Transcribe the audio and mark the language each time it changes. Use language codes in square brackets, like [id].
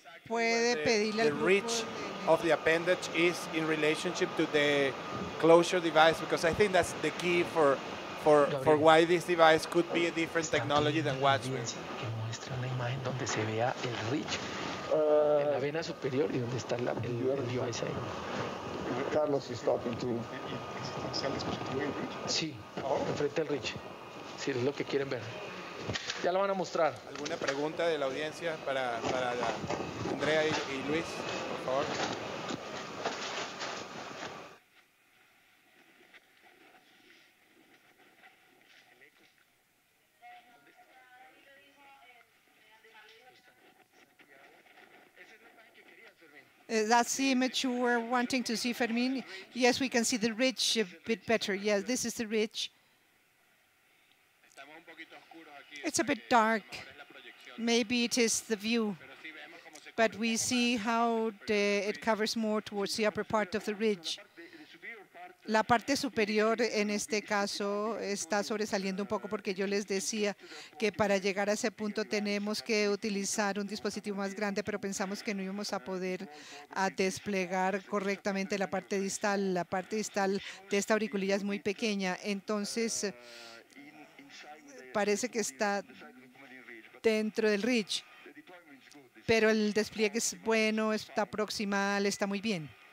[en] The reach of the appendage is in relationship to the closure device, because I think that's the key for why this device could be a different technology than Watchman. [es] Que muestra la imagen donde se vea el reach en la vena superior y donde está el device ahí. [en] Carlos is talking to. [es] Sí, enfrente al reach. Sí, es lo que quieren ver. Ya lo van a mostrar. ¿Alguna pregunta de la audiencia para Andrea y Luis, por favor? [en] That's the image you were wanting to see, Fermín. Yes, we can see the ridge a bit better. Yes, this is the ridge. It's a bit dark. Maybe it is the view. But we see how it covers more towards the upper part of the ridge. [es] La parte superior en este caso está sobresaliendo un poco porque yo les decía que para llegar a ese punto tenemos que utilizar un dispositivo más grande, pero pensamos que no íbamos a poder a desplegar correctamente la parte distal. La parte distal de esta auriculilla es muy pequeña, entonces parece que está dentro del reach, pero el despliegue es bueno, está proximal, está muy bien.